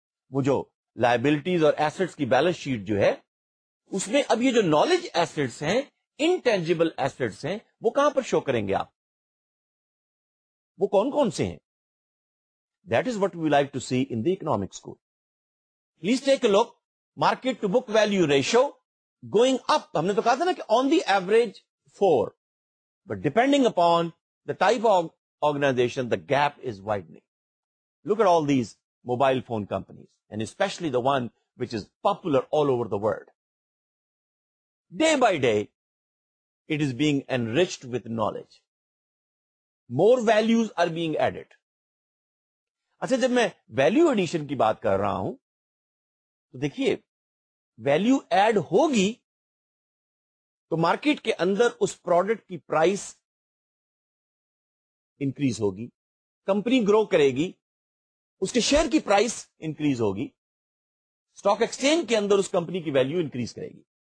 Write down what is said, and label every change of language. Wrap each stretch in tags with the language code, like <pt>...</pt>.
<ur>وہ جو لائبلٹیز اور ایسٹس کی بیلنس شیٹ جو ہے اس میں اب یہ جو نالج ایسٹس ہیں انٹینجیبل ایسٹس ہیں وہ کہاں پر شو کریں گے آپ, وہ کون کون سے ہیں؟</ur> <en>That is what we like to see in the economic school. Please take a look, market to book value ratio going up,</en> <ur>ہم نے تو کہا تھا نا کہ</ur> <en>On the average 4, but depending upon the type of organisation the gap is widening. Look at all these mobile phone companies and especially the one which is popular all over the world, day by day it is being enriched with knowledge, more values are being added.</en> <ur>اچھا جب میں value addition کی بات کر رہا ہوں تو دیکھیے ویلو ایڈ ہوگی تو مارکیٹ کے اندر اس پروڈکٹ کی پرائس انکریز ہوگی, کمپنی گرو کرے گی اس کے شیئر کی پرائس انکریز ہوگی, اسٹاک ایکسچینج کے اندر اس کمپنی کی ویلو انکریز کرے گی.</ur>